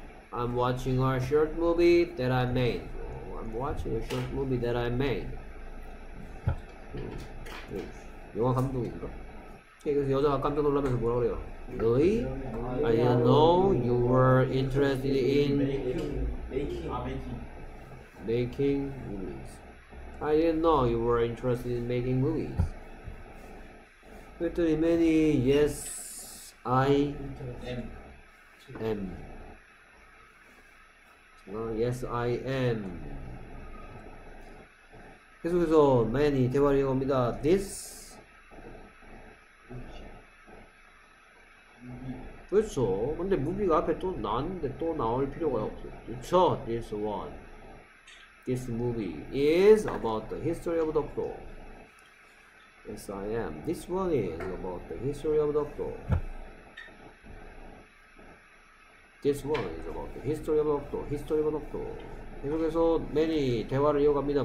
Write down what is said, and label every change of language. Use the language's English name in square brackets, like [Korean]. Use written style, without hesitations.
[English] I'm watching a short movie that I made. I'm watching a short movie that I made. [Korean] 영화 감독인가? 그래서 여자가 깜짝 놀라면서 뭐라 그래요? 너희? [English] I didn't know you were interested in making movies. I didn't know you were interested in making movies. [Korean] 그랬더니 맨이 [English] yes, I am. Yes, I am. [Korean] 계속해서 매니 대화 읽어봅니다. [English] This. [Korean] 그렇죠. 근데 무비가 앞에 또 나왔는데 또 나올 필요가 없어. 그렇죠. [English] This one. This movie is about the history of Doctor. Yes, I am. This one is about the history of Doctor. This one is about the history of Doctor. History of Doctor. [Korean] 계속해서 매니 대화를 이어갑니다.